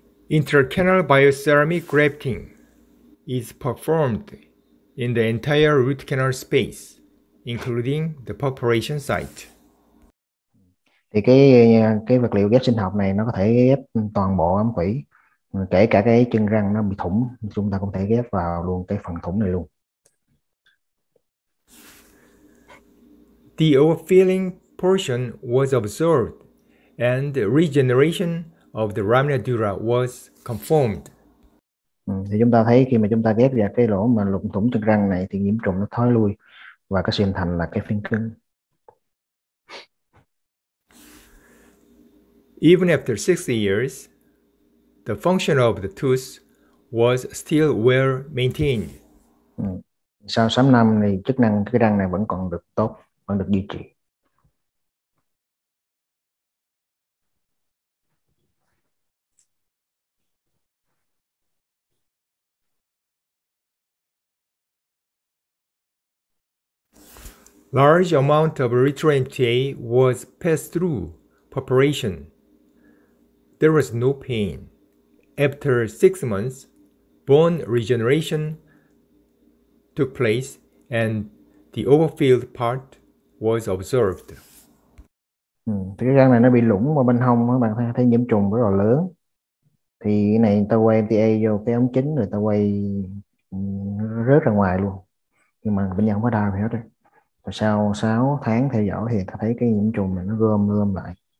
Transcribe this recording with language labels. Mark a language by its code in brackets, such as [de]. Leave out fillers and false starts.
[en] Intracanal bioceramic grafting is performed in the entire root canal space, including the perforation site. [vi] Thì cái vật liệu ghép sinh học này nó có thể ghép toàn bộ ống thủy, kể cả cái chân răng nó bị thủng, chúng ta cũng thể ghép vào luôn cái phần thủng này luôn. [en] The overfilling portion was observed and regeneration of the lamina dura was confirmed. [vi] Thì chúng ta thấy khi mà chúng ta ghép ra cái lỗ mà lụng thủng chân răng này thì nhiễm trùng nó thoái lui và cái hình thành là cái phiến cứng. [en] Even after 60 years, the function of the tooth was still well maintained. [vi] Sau 6 năm thì chức năng cái răng này vẫn còn được tốt, vẫn được duy trì. [en] Large amount of retro MTA was passed through perforation. There was no pain. After 6 months, bone regeneration took place and the overfilled part was observed. [vi] Thì cái răng này nó bị lủng vào bên hông, các bạn thấy nhiễm trùng rất là lớn. Thì cái này người ta quay MTA vô cái ống chính, người ta quay rớt ra ngoài luôn. Nhưng mà bệnh nhân không có đau gì hết. Và sau 6 tháng theo dõi thì ta thấy cái nhiễm trùng này nó gom lại.